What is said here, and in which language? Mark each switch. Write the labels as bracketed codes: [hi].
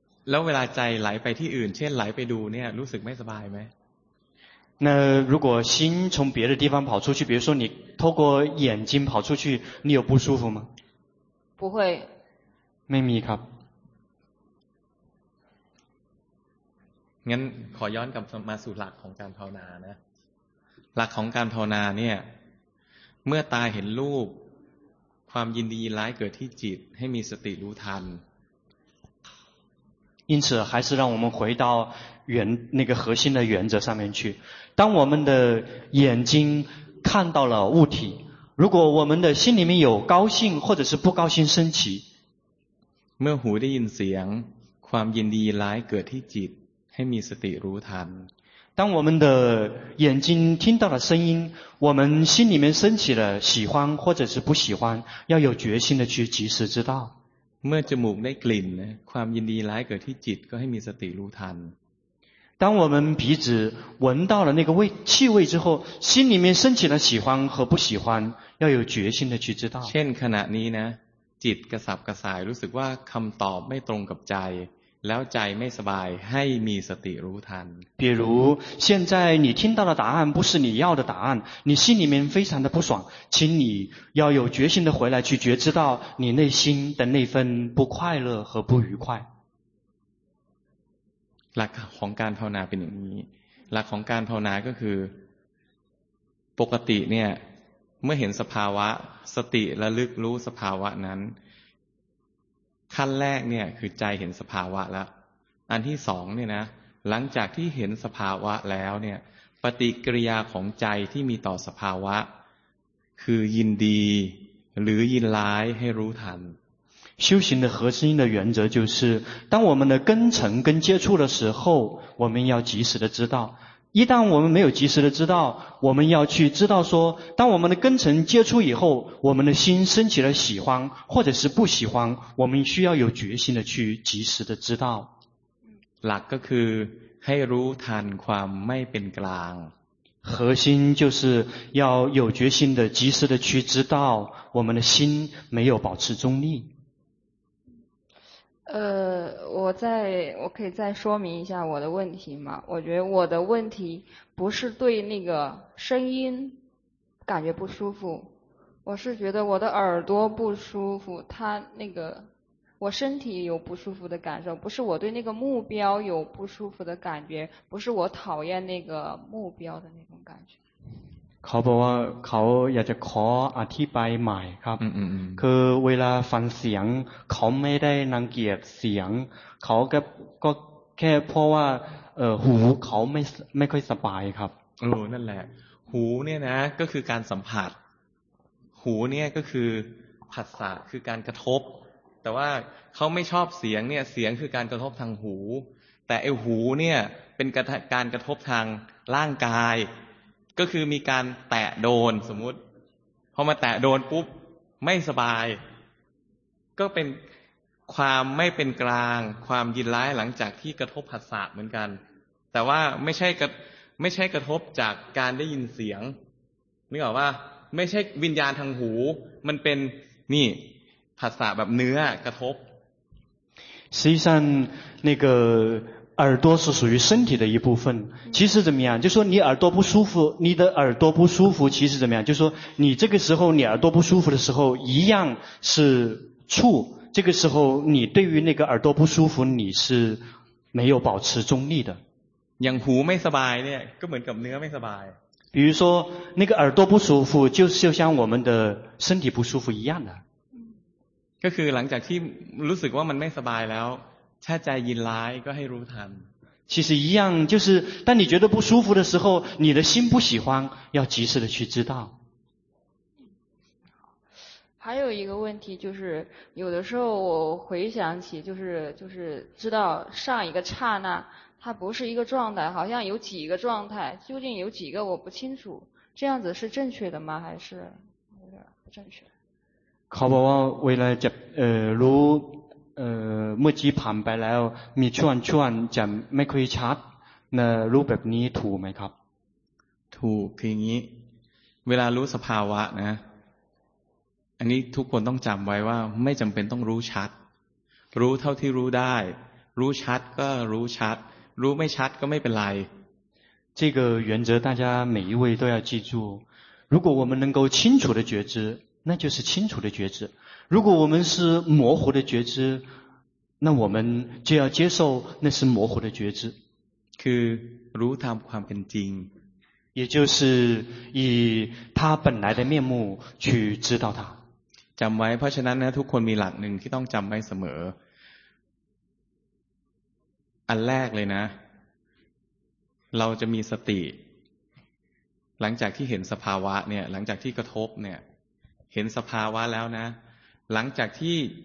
[th] แล้วเวลาใจไหลไปที่อื่นเช่นไหลไปดูเนี่ยรู้สึกไม่สบายไหม [zh] 那如果心从别的地方跑出去，比如说你透过眼睛跑出去，你有不舒服吗？不会。 [th] ไม่มีครับ。 งั้นขอย้อนกลับมาสู่หลักของการภาวนานะ。หลักของการภาวนาเนี่ย，เมื่อตาเห็นรูป，ความยินดียินร้ายเกิดที่จิต，ให้มีสติรู้ทัน。 [zh] 因此，还是让我们回到原那个核心的原则上面去。当我们的眼睛看到了物体，如果我们的心里面有高兴或者是不高兴升起， [th] เมื่อหูได้ยินเสียง，ความยินดียินร้ายเกิดที่จิต，ให้มีสติรู้ทัน。 [zh] 当我们的眼睛听到了声音，我们心里面升起了喜欢或者是不喜欢，要有决心的去及时知道。 [th] เมื่อจมูกได้กลิ่นความยินดีร้ายเกิดที่จิตก็ให้มีสติรู้ทัน [zh] 当我们鼻子闻到了那个味气味之后，心里面升起了喜欢和不喜欢，要有决心的去知道。 [th] เช่นขณะนี้นะจิตกระสับกระส่ายรู้สึกว่าคำตอบไม่ตรงกับใจแล้วใจไม่สบายให้มีสติรู้ทัน [zh] 比如现在你听到的答案不是你要的答案，你心里面非常的不爽，请你要有决心的回来去觉知到你内心的那份不快乐和不愉快。 [th] หลักของการภาวนาเป็นอย่างนี้หลักของการภาวนาก็คือปกติเนี่ยเมื่อเห็นสภาวะสติระลึกรู้สภาวะนั้นขั้นแรกเนี่ยคือใจเห็นสภาวะแล้วอันที่สองเนี่ยนะหลังจากที่เห็นสภาวะแล้วเนี่ยปฏิกิริยาของใจที่มีต่อสภาวะคือยินดีหรือยินร้ายให้รู้ทัน [zh] 修行的核心的原则就是，当我们的根尘跟接触的时候，我们要及时的知道。一旦我们没有及时的知道，我们要去知道说，当我们的根尘接触以后，我们的心升起了喜欢或者是不喜欢，我们需要有决心的去及时的知道。 [th] หลักก็คือให้รู้ทันความไม่เป็นกลาง。 [zh] 核心就是要有决心的及时的去知道我们的心没有保持中立。我可以再说明一下我的问题吗？我觉得我的问题不是对那个声音感觉不舒服，我是觉得我的耳朵不舒服，它那个我身体有不舒服的感受，不是我对那个目标有不舒服的感觉，不是我讨厌那个目标的那种感觉。 [th] เขาบอกว่าเขาอยากจะขออธิบายใหม่ครับคือเวลาฟังเสียงเขาไม่ได้นังเกียจเสียงเขาก็แค่เพราะว่าหูเขาไม่ค่อยสบายครับ โอ้นั่นแหละหูเนี่ยนะก็คือการสัมผัสหูเนี่ยก็คือผัสสะคือการกระทบแต่ว่าเขาไม่ชอบเสียงเนี่ยเสียงคือการกระทบทางหูแต่ไอ้หูเนี่ยเป็นการกระทบทางร่างกายก็คือมีการแตะโดนสมมุติพอมาแตะโดนปุ๊บไม่สบาย ก็เป็นความไม่เป็นกลางความยินร้ายหลังจากที่กระทบผัสสะเหมือนกันแต่ว่าไม่ใช่กระทบจากการได้ยินเสียงนึกออกป่ะไม่ใช่วิญญาณทางหูมันเป็นนี่ผัสสะแบบเนื้อกระทบ ซีซั่นนี่ก็ [zh] 耳朵是属于身体的一部分，其实怎么样，就说你耳朵不舒服，你的耳朵不舒服，其实怎么样，就说你这个时候你耳朵不舒服的时候一样是触，这个时候你对于那个耳朵不舒服你是没有保持中立的。像胡没 [th] สบายเนี่ยก็เหมือนกับเนื้อไม่สบาย。 [zh] 比如说那个耳朵不舒服就像我们的身体不舒服一样的。 [th] ก็คือหลังจากที่รู้สึกว่ามันไม่สบายแล้วถ้าใจยินร้ายก็ให้รู้ทัน [zh] 其实一样就是当你觉得不舒服的时候你的心不喜欢要及时的去知道还有一个问题就是有的时候我回想起就是知道上一个刹那它不是一个状态好像有几个状态究竟有几个我不清楚这样子是正确的吗还是有点不正确 [th] เขาบอกว่าเวลาจะรู้เมื่อกี้ผ่านไปแล้วมีช่วงจะไม่ค่อยชัดนะรูปแบบนี้ถูกไหมครับ ถูกคืออย่างนี้เวลารู้สภาวะนะอันนี้ทุกคนต้องจำไว้ว่าไม่จำเป็นต้องรู้ชัดรู้เท่าที่รู้ได้รู้ชัดก็รู้ชัดรู้ไม่ชัดก็ไม่เป็นไร [zh] 这个原则大家每一位都要记住如果我们能够清楚的觉知那就是清楚的觉知如果我们是模糊的觉知那我们就要接受那是模糊的觉知 [th] คือรู้ตามความเป็นจริง [zh] 也就是以他本来的面目去知道他 [th] จำไว้เพราะฉะนั้นนะทุกคนมีหลักหนึ่งที่ต้องจำไว้เสมออันแรกเลยนะเราจะมีสติหลังจากที่เห็นสภาวะเนี่ยหลังจากที่กระทบเนี่ยเห็นสภาวะแล้วนะหลังจากที่